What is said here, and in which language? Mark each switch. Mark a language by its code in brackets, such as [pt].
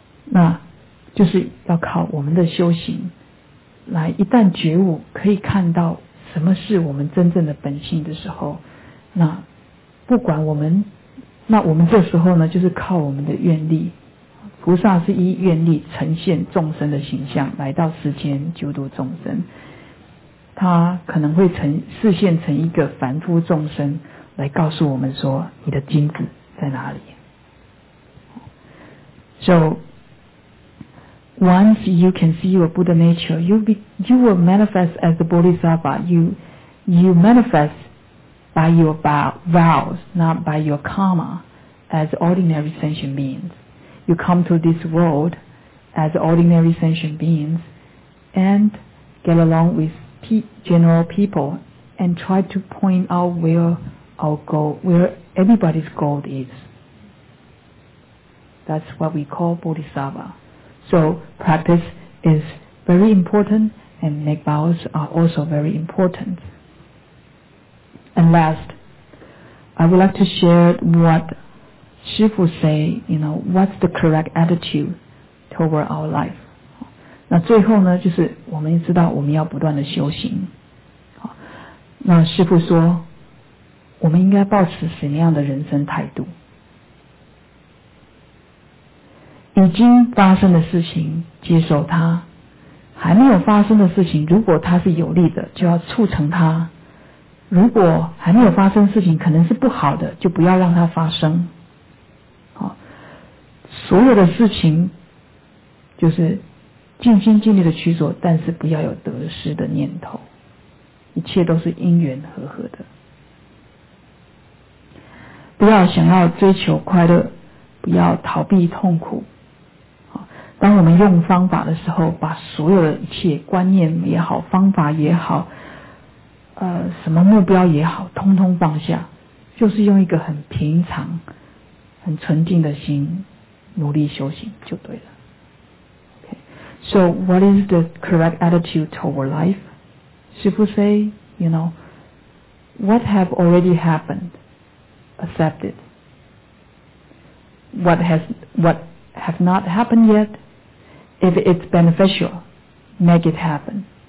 [zh] 那就是要靠我们的修行来，一旦觉悟可以看到什么是我们真正的本性的时候，那不管我们，那我们这时候呢，就是靠我们的愿力，菩萨是依愿力呈现众生的形象来到世间救度众生，他可能会示现成一个凡夫众生来告诉我们说你的金子在哪里。 [en] So once you can see your Buddha nature, you will manifest as the Bodhisattva. You manifest by your vows, not by your karma, as ordinary sentient beings. You come to this world as ordinary sentient beings and get along withgeneral people and try to point out where our goal, where everybody's goal is. That's what we call Bodhisattva. So practice is very important and make vows are also very important. And last, I would like to share what Shifu say, you know, what's the correct attitude toward our life. [zh] 那最后呢，就是我们知道我们要不断的修行。那师父说，我们应该抱持什么样的人生态度？已经发生的事情接受它，还没有发生的事情，如果它是有利的，就要促成它；如果还没有发生的事情，可能是不好的，就不要让它发生。好，所有的事情就是尽心尽力的去做，但是不要有得失的念头，一切都是因缘和合的。不要想要追求快乐，不要逃避痛苦。当我们用方法的时候，把所有的一切观念也好，方法也好，什么目标也好，通通放下，就是用一个很平常很纯净的心努力修行就对了。 [en] So what is the correct attitude toward life? Shifu say, you know, what have already happened, accept it. What have not happened yet, if it's beneficial, make it happen.